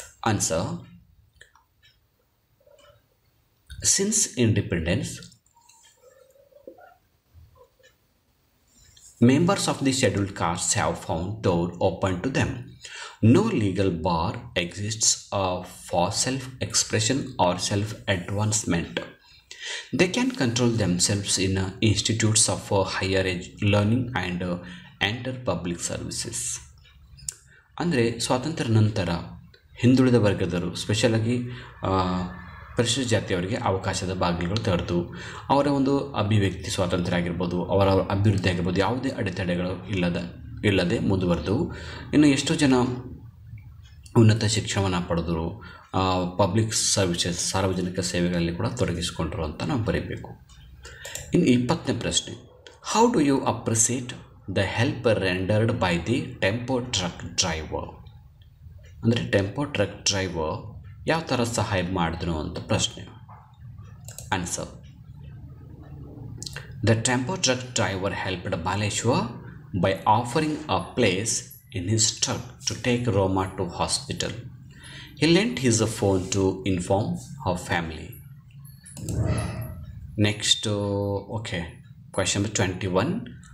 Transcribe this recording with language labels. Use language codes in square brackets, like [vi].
[en] Answer, since independence members of the scheduled caste have found door open to them no legal bar exists for self expression or self advancement. They can control themselves in institutes of higher learning and enter public services. [kn] ಅಂದರೆ ಸ್ವಾತಂತ್ರ್ಯ ನಂತರ ಹಿಂದುಳಿದ ವರ್ಗದವರು ಸ್ಪೆಷಲಾಗಿ ಪರಿಶಿಷ್ಟ ಜಾತಿಯವರಿಗೆ ಅವಕಾಶದ ಬಾಗಿಲುಗಳು ತೆರೆದು ಅವರ ಒಂದು ಅಭಿವ್ಯಕ್ತಿ ಸ್ವಾತಂತ್ರ್ಯ ಆಗಿರ್ಬೋದು, ಅವರ ಅಭಿವೃದ್ಧಿ ಆಗಿರ್ಬೋದು, ಯಾವುದೇ ಅಡೆತಡೆಗಳು ಇಲ್ಲದೆ ಮುಂದುವರೆದು ಇನ್ನು ಎಷ್ಟೋ ಜನ ಉನ್ನತ ಶಿಕ್ಷಣವನ್ನು ಪಡೆದರು, ಪಬ್ಲಿಕ್ ಸರ್ವಿಸಸ್ ಸಾರ್ವಜನಿಕ ಸೇವೆಗಳಲ್ಲಿ ಕೂಡ ತೊಡಗಿಸಿಕೊಂಡರು ಅಂತ ನಾವು ಬರೀಬೇಕು. ಇನ್ನು 20 ಪ್ರಶ್ನೆ, [en] How do you appreciate the help rendered by the tempo truck driver? [kn] ಅಂದರೆ ಟೆಂಪೋ ಟ್ರಕ್ ಡ್ರೈವರ್ ಯಾವ ಥರ ಸಹಾಯ ಮಾಡಿದ್ರು ಅಂತ ಪ್ರಶ್ನೆ. Answer, [en] The Tempo truck driver helped Baleshwar by offering a place in his truck to take Roma to hospital. He lent his phone to inform her family. Next, okay, question number 21.